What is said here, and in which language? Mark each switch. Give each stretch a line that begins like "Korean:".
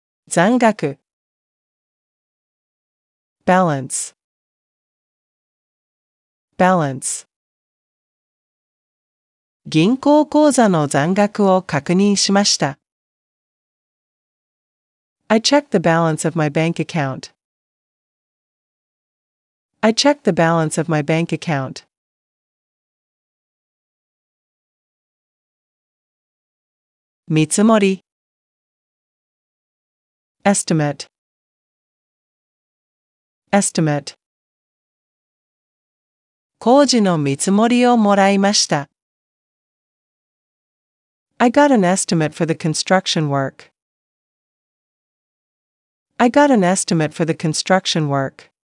Japanese: 残額。
English: Balance. Balance.
Japanese: 銀行口座の残額を確認しました。
English: I checked the balance of my bank account. I checked the balance of my bank account.
Japanese: 見積もり。
English: Estimate. Estimate.
Japanese: 工事の見積もりをもらいました。
English: I got an estimate for the construction work. I got an estimate for the construction work.